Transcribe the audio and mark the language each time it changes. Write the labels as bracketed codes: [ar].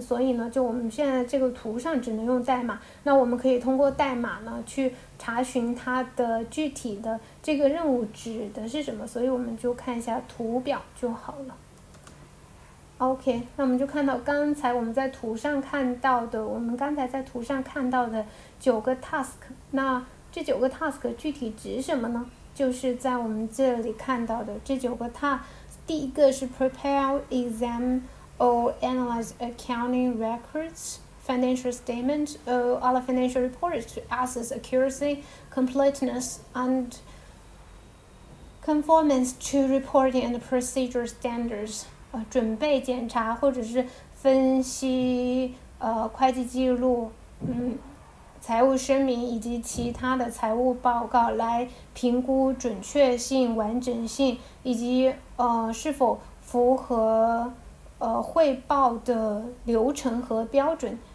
[zh] 所以呢就我们现在这个图上只能用代码，那我们可以通过代码呢去查询它的具体的这个任务指的是什么，所以我们就看一下图表就好了。 OK， 那我们就看到刚才我们在图上看到的，我们刚才在图上看到的九个 task， 那这九个 task 具体指什么呢？就是在我们这里看到的这九个 task，第一个是 [en] prepare, examine, or analyze accounting records, financial statements, or other financial reports to assess accuracy, completeness, and conformance to reporting and procedure standards. [zh] 准备检查或者是分析会计记录，财务声明以及其他的财务报告，来评估准确性、完整性以及是否符合汇报的流程和标准。